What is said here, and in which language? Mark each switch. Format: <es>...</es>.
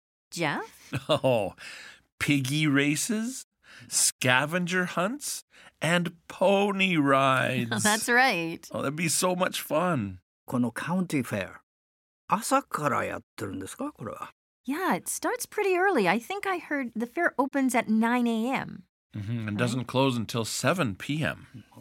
<en>Jeff? Oh, piggy races, scavenger hunts, and pony rides. That's right. Oh, that'd be so much fun.</en> <ja>このカウンティーフェア、朝からやってるんですか、これは。</ja> <en>Yeah, it starts pretty early. I think I heard the fair opens at 9 a.m. Mm-hmm, and doesn't close until 7 p.m.</en>